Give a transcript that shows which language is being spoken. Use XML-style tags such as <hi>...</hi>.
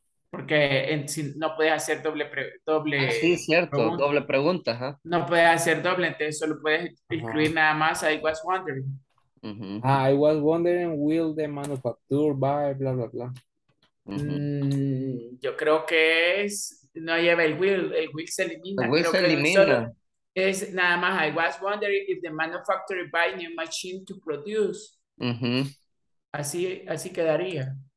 <es>Porque en, si, no puede hacer doble doble. Ah, sí, cierto, pregunta. Doble pregunta. ¿Eh? No puede hacer doble, entonces solo puedes incluir nada más, I was wondering. Uh-huh.</es> <en>I was wondering, will the manufacturer buy, bla, bla, bla.</en> <es>Mm-hmm. Yo creo que es, no lleva el will se elimina. El will creo se elimina. Solo, es nada más, I was wondering if the manufacturer buy new machine to produce. Uh-huh. Así, así quedaría.</es>